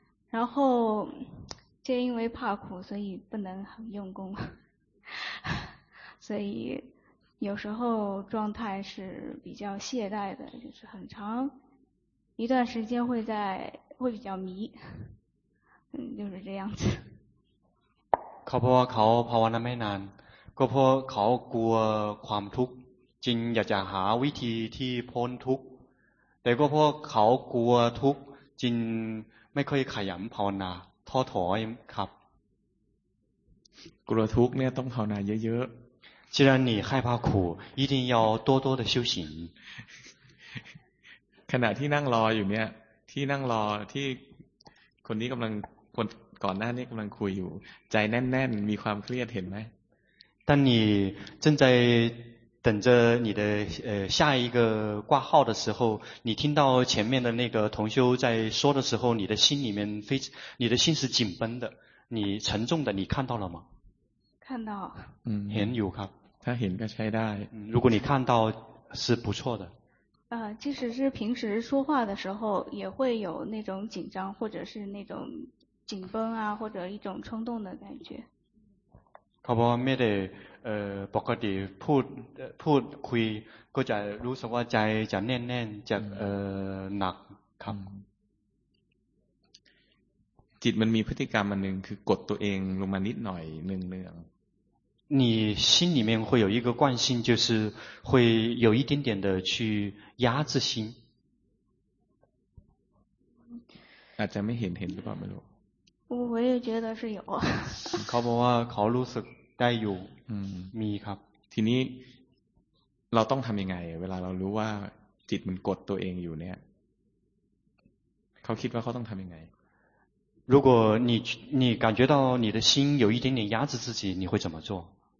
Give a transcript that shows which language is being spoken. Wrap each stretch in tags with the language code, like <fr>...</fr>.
<zh>然后就因为怕苦，所以不能很用功，所以有时候状态是比较懈怠的，就是很长一段时间会比较迷，就是这样子。</zh> <th>เขาเพราะว่าเขาภาวนาไม่นานก็เพราะเขากลัวความทุกข์จึงอยากจะหาวิธีที่พ้นทุกข์แต่ก็เพราะเขากลัวทุกข์จึงไม่ค่อยขยันภาวนาท้อถอยครับ กลัวทุกข์เนี่ยต้องภาวนาเยอะ</th> <zh>ๆ既然你害怕苦一定要多多的修行</zh> <th>ขณะที่นั่งรออยู่เนี่ยที่นั่งรอที่คนนี้กำลังคนก่อนหน้านี้กำลังคุยอยู่ใจแน่นๆมีความเครียดเห็นไหม</th> <zh>当你正在等着你的下一个挂号的时候，你听到前面的那个同修在说的时候，你的心里面你的心是紧绷的，你沉重的，你看到了吗？看到。很有看。他很该猜到。如果你看到是不错的。即使是平时说话的时候，也会有那种紧张或者是那种紧绷啊，或者一种冲动的感觉。</zh> <th>เขาบอกว่าไม่ได้ปกติพูดคุยก็จะรู้สึกว่าใจจะแน่นจะหนักครับ จิตมันมีพฤติกรรมอันหนึ่งคือกดตัวเองลงมานิดหน่อยเนืองเนือง</th> <zh>你心里面会有一个惯性就是会有一点点的去压制心</zh> <th>อาจจะไม่เห็นหรือเปล่าไม่รู้</th> <zh>我也觉得是有</zh> <th>เขาบอกว่าเขารู้สึกได้อยู่ มีครับ ทีนี้เราต้องทำยังไงเวลาเรารู้ว่าจิตมันกดตัวเองอยู่เนี่ยเขาคิดว่าเขาต้องทำยังไง</th> <zh>如果你感觉到你的心有一点点压制自己你会怎么做</zh>